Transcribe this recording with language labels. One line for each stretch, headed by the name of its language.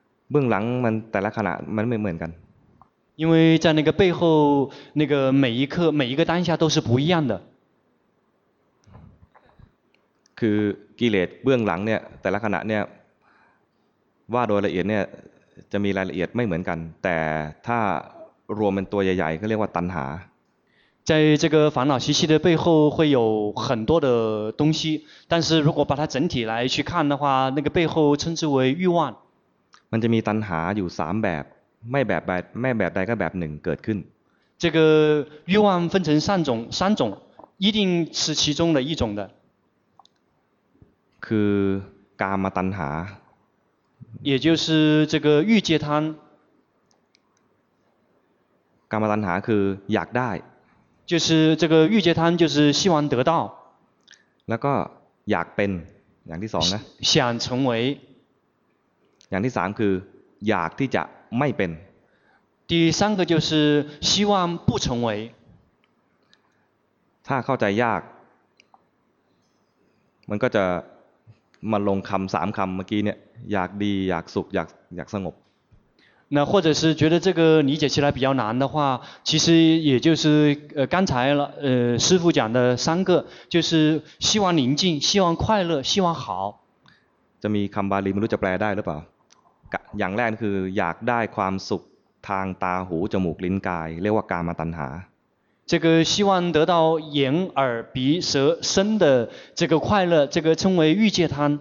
Thai: เบื้องหลังมันแต่ละขณะมันไม่เหมือนกัน。
Chinese: 因为在那个背后，那个每一刻、每一个当下都是不一样的。
Thai: คือกิเลสเบื้องหลังเนี่ยแต่ละขณะเนี่ยว่าโดยละเอียดเนี่ยจะมีรายละเอียดไม่เหมือนกันแต่ถ้ารวมเป็นตัวใหญ่ๆก็เรียกว่าตัณหา
Chinese: 在这个烦恼习气的背后会有很多的东西但是如果把它整体来去看的话那个背后称之为欲望
Thai: มันจะมีตัณหาอยู่3แบบไม่แบบใดก็แบบหนึ่งเกิดขึ้น
Chinese: 这个欲望分成三种一定是其中的一种的
Thai: คือกามตัณหา
Chinese: 也就是这个欲界贪
Thai: กามตัณหาคืออยากได้
Chinese: 就是这个欲界贪就是希望得到
Thai: แล้วก็อยากเป็นอย่างที่สองนะ
Chinese: 想成为
Thai: อย่างที่สามคืออยากที่จะไม่เป็น
Chinese: 第三个就是希望不成为
Thai: ถ้าเข้าใจยากมันก็จะมาลงคำสามคำเมื่อกี้เนี่ยอยากดีอยากสุขอยากสงบ
Chinese: 那或者是觉得这个理解起来比较难的话其实也就是刚才师父讲的三个就是希望宁静希望快乐希望好
Thai: จะมีคำบาลีไม่รู้จะแปลได้หรือเปล่าอย่างแรกคืออยากได้ความสุขทางตาหูจมูกลิ้นกายเรียกว่ากามตัณหา
Chinese: 这个希望得到眼耳鼻舌身的这个快乐这个称为欲界贪